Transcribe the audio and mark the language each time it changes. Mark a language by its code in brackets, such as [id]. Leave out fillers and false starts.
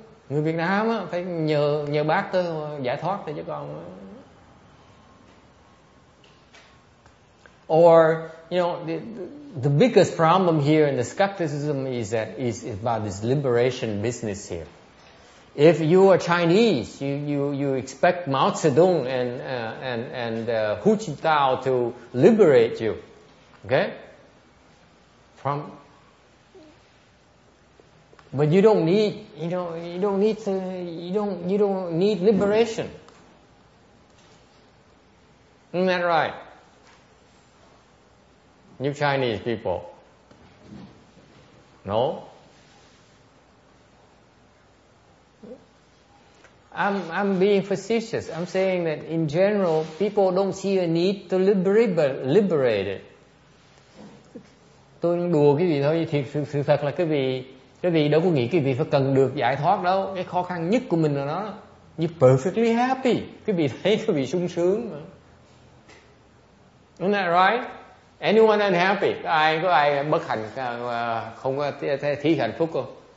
[vi] Người Việt Nam á phải nhờ bác tới giải thoát thôi chứ còn. [en] Or, you know, the biggest problem here in the skepticism is that is about this liberation business here. If you are Chinese, you expect Mao Zedong and Hu Jintao to liberate you, okay? From, but you don't need liberation. Isn't that right? New Chinese people. No? I'm being facetious. I'm saying that in general, people don't see a need to liberate it. [vi] Tôi đùa quý vị thôi. Thì sự thật là quý vị đâu có nghĩ quý vị phải cần được giải thoát đâu. Cái khó khăn nhất của mình là nó. [en] You're perfectly happy. [vi] Quý vị thấy quý vị sung sướng mà. [en] Isn't that right? Anyone unhappy? [vi] Ai có ai bất hạnh không có thí hạnh phúc không?